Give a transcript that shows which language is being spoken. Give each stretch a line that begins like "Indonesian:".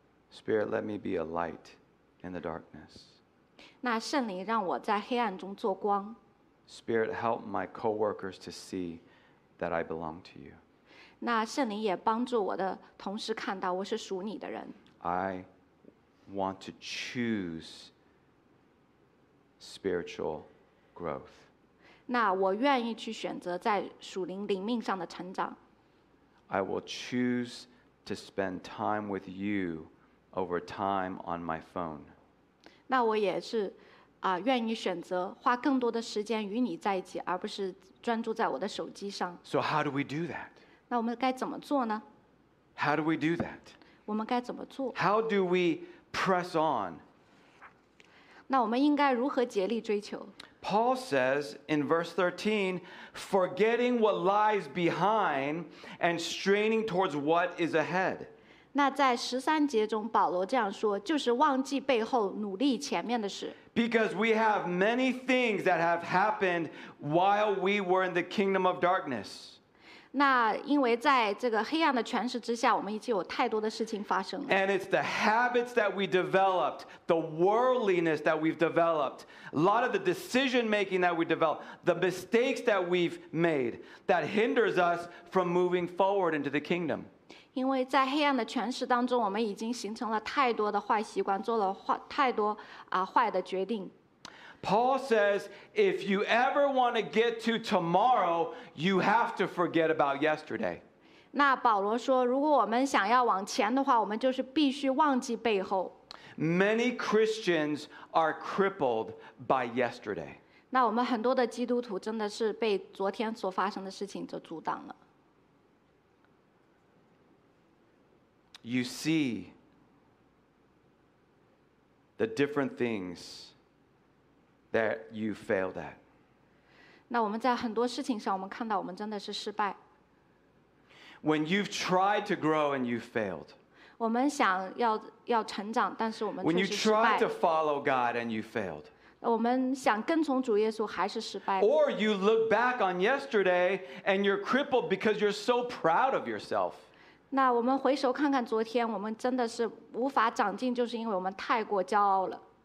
English: Spirit, let me be a light in the darkness.
Chinese: 那圣灵让我在黑暗中做光。
English: Spirit, help my co-workers to see that I belong to you.
Chinese: 那圣灵也帮助我的同事看到我是属你的人。
English: I want to choose spiritual growth.
Chinese: 那我愿意去选择在属灵灵命上的成长。
English: I will choose to spend time with you. Over time on my phone.
Chinese: 那我也是，愿意选择花更多的时间与你在一起，而不是专注在我的手机上。
English: So how do we do that?
Chinese: 那我们该怎么做呢？
English: How do we do that?
Chinese: 我们该怎么做？
English: How do we press on?
Chinese: 那我们应该如何竭力追求？
English: Paul says in verse 13, forgetting what lies behind and straining towards what is ahead.
Chinese: 那在十三节中，保罗这样说，就是忘记背后，努力前面的事。
English: Because we have many things that have happened while we were in the kingdom of darkness.
Chinese: 那因为在这个黑暗的权势之下，我们已经有太多的事情发生了。
English: And it's the habits that we developed, the worldliness that we've developed, a lot of the decision making that we developed, the mistakes that we've made that hinders us from moving forward into the kingdom.
Chinese: 因为在黑暗的权势当中，我们已经形成了太多的坏习惯，做了太多坏的决定。
English: Paul says, if you ever want to get to tomorrow, you have to forget about yesterday.
Chinese: 那保罗说，如果我们想要往前的话，我们就是必须忘记背后。
English: Many Christians are crippled by yesterday.
Chinese: 那我们很多的基督徒真的是被昨天所发生的事情就阻挡了。
English: You see the different things that you failed at.
Chinese: 那我们在很多事情上，我们看到我们真的是失败。
English: When you've tried to grow and you failed.
Chinese: 我们想要成长，但是我们却是失败。
English: When you tried to follow God and you failed.
Chinese: 我们想跟从主耶稣还是失败。
English: Or you look back on yesterday and you're crippled because you're so proud of yourself.
Chinese: 那我们回首看看昨天，我们真的是无法长进，就是因为我们太过骄傲了。